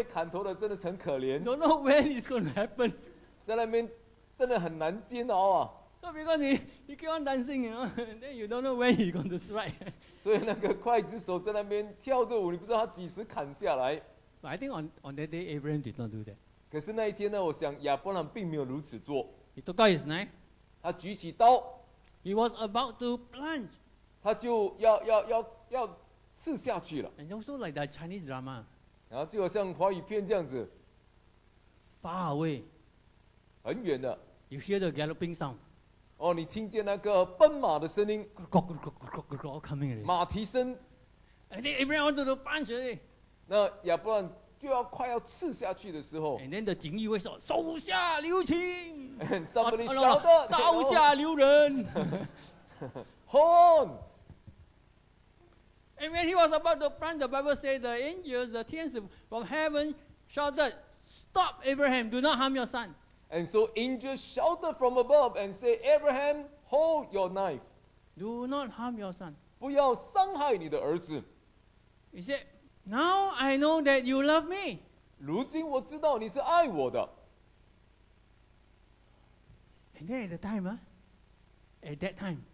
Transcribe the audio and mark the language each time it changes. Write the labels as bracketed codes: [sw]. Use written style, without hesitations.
[zh] 我在想那个跪在那边等着被砍头的真的很可怜。 [en] Don't know when it's going to happen. [zh] 在那边真的很难煎熬啊。 [en] So because you keep on dancing, you know, then you don't know when you're going to strike. [zh] 所以那个刽子手在那边跳着舞，你不知道他几时砍下来。 [en] But I think on that day, Abraham did not do that. [zh] 可是那一天呢，我想亚伯兰并没有如此做。 [en] He took out his knife. [zh] 他举起刀。 [en] He was about to plunge. [zh] 他就要刺下去了。 [en] And also like that Chinese drama. [zh] 然后就好像华语片这样子。 [en] Far away. [zh] 很远的。 [en] You hear the galloping sound. [zh] 哦，你听见那个奔马的声音 [en] coming [zh] 马蹄声 [en] And then Abraham wanted to punch [zh] 那亚伯兰就要快要刺下去的时候 [en] And then the [zh] 锦衣卫 说 手下留情 [en] And somebody shouted [zh] 刀下留人 [en] Horn And when he was about to punch the Bible said the angels the 天使 from heaven shouted stop Abraham do not harm your son And so angels shouted from above and said, Abraham, hold your knife. Do not harm your son. [zh] 不要伤害你的儿子。 [en] He said, now I know that you love me. [zh] 如今我知道你是爱我的。 [en] And then at the time, at that time,